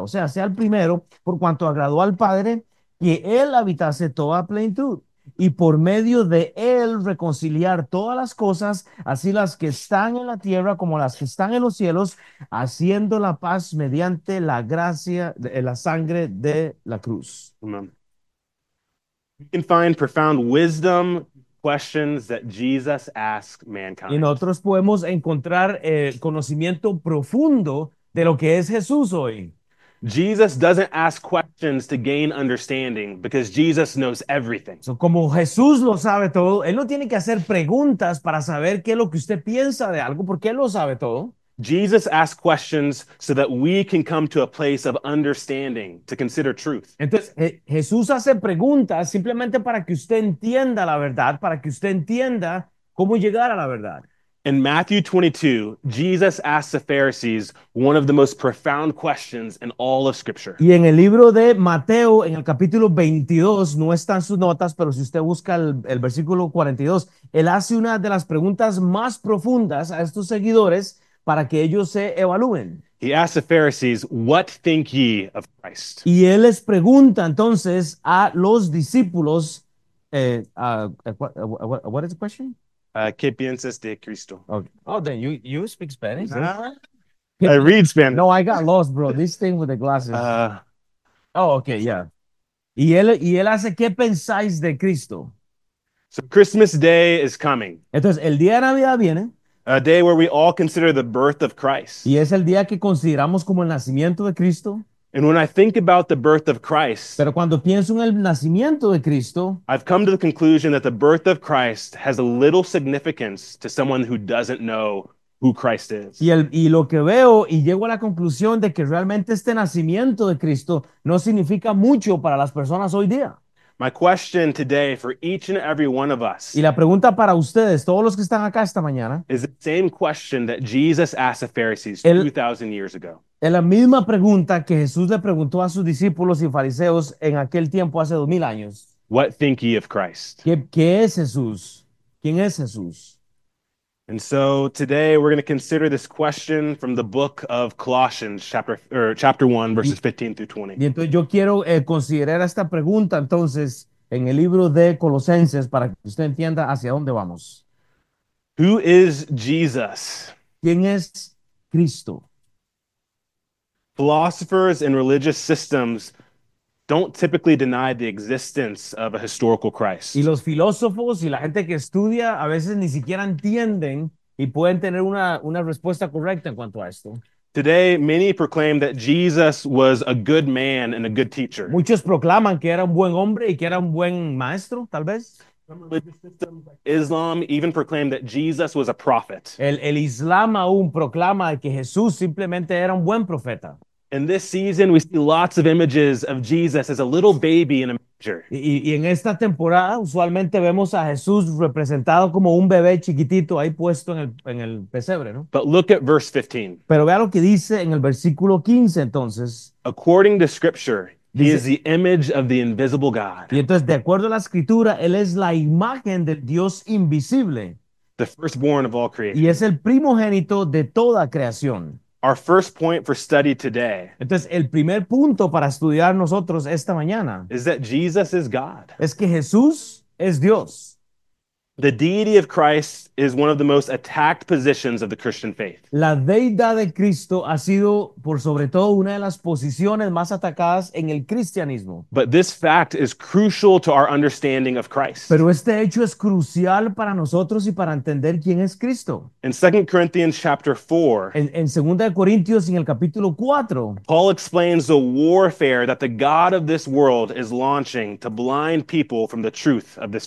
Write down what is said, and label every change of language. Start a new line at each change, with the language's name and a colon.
Spanish: O sea, sea el primero por cuanto agradó al Padre que él habitase toda plenitud. y por medio de él reconciliar todas las cosas, así las que están en la tierra como las que están en los cielos, haciendo la paz mediante la gracia de la sangre de la cruz. Amen.
English: You can find profound wisdom questions that Jesus asked
Spanish: Y
English: mankind.
Spanish: nosotros podemos encontrar el conocimiento profundo de lo que es Jesús hoy.
English: Jesus doesn't ask questions to gain understanding because Jesus knows everything.
Spanish: So, como Jesús lo sabe todo, él no tiene que hacer preguntas para saber qué es lo que usted piensa de algo, porque él lo sabe todo.
English: Jesus asked questions so that we can come to a place of understanding to consider truth.
Spanish: Entonces, Jesús hace preguntas simplemente para que usted entienda la verdad, para que usted entienda cómo llegar a la verdad.
English: In Matthew 22, Jesus asks the Pharisees one of the most profound questions in all of Scripture.
Spanish: Y en el libro de Mateo, en el capítulo 22, no están sus notas, pero si usted busca el versículo 42, él hace una de las preguntas más profundas a estos seguidores para que ellos se evalúen.
English: He asks the Pharisees, "What think ye of Christ?"
Spanish: Y él les pregunta entonces a los discípulos,
English: what is the question?
Spanish: ¿Qué piensas de Cristo?
English: Okay. Oh, then you speak Spanish, eh? Nah, I read Spanish. No, I got lost, bro. This thing with the glasses. Oh, okay, yeah.
Spanish: Y él hace, ¿qué pensáis de Cristo?
English: So Christmas Day is coming,
Spanish: Entonces, el día de Navidad viene.
English: a day where we all consider the birth of
Spanish: Y
English: Christ.
Spanish: es el día que consideramos como el nacimiento de Cristo.
English: And when I think about the birth of Christ,
Spanish: Pero cuando pienso en el nacimiento de Cristo,
English: I've come to the conclusion that the birth of Christ has a little significance to someone who doesn't know who Christ is.
Spanish: Y lo que veo y llego a la conclusión de que realmente este nacimiento de Cristo no significa mucho para las personas hoy día.
English: My question today for each and every one of
Spanish: Y
English: us
Spanish: la pregunta para ustedes, todos los que están acá esta mañana,
English: is the same question that Jesus asked the Pharisees 2,000 years ago.
Spanish: es la misma pregunta que Jesús le preguntó a sus discípulos y fariseos en aquel tiempo, hace 2000 años.
English: What think ye of Christ?
Spanish: ¿Qué es Jesús? ¿Quién es Jesús?
English: And so today we're going to consider this question from the book of Colossians, chapter 1, verses 15 through 20.
Spanish: Y entonces yo quiero considerar esta pregunta entonces en el libro de Colosenses para que usted entienda hacia dónde vamos.
English: Who is Jesus?
Spanish: ¿Quién es Cristo?
English: Philosophers and religious systems don't typically deny the existence of a historical
Spanish: Y
English: Christ.
Spanish: los filósofos y la gente que estudia a veces ni siquiera entienden y pueden tener una respuesta correcta en cuanto a esto.
English: Today, many proclaim that Jesus was a good man and a good teacher.
Spanish: Muchos proclaman que era un buen hombre y que era un buen maestro, tal vez.
English: Some religious systems like Islam even proclaim that Jesus was a prophet.
Spanish: El Islam aún proclama que Jesús simplemente era un buen profeta.
English: In this season, we see lots of images of Jesus as a little baby in a manger.
Spanish: Y en esta temporada usualmente vemos a Jesús representado como un bebé chiquitito ahí puesto en el pesebre, ¿no?
English: But look at verse 15.
Spanish: Pero vea lo que dice en el versículo 15 entonces.
English: According to Scripture, he is the image of the invisible God,
Spanish: y entonces, de acuerdo a la escritura, él es la imagen del Dios invisible
English: the firstborn of all
Spanish: y es
English: creation.
Spanish: el primogénito de toda creación.
English: Our first point for study today
Spanish: Entonces, el primer punto para estudiar nosotros esta mañana
English: is that Jesus is God.
Spanish: es que Jesús es Dios.
English: The deity of Christ is one of the most attacked positions of the Christian faith.
Spanish: La deidad de Cristo ha sido, por sobre todo, una de las posiciones más atacadas en el cristianismo.
English: But this fact is crucial to our understanding of Christ.
Spanish: Pero este hecho es crucial para nosotros y para entender quién es Cristo.
English: In 2 Corinthians chapter 4,
Spanish: En 2 Corintios, en el capítulo 4,
English: Paul explains the warfare that the God of this world is launching to blind people from the truth of this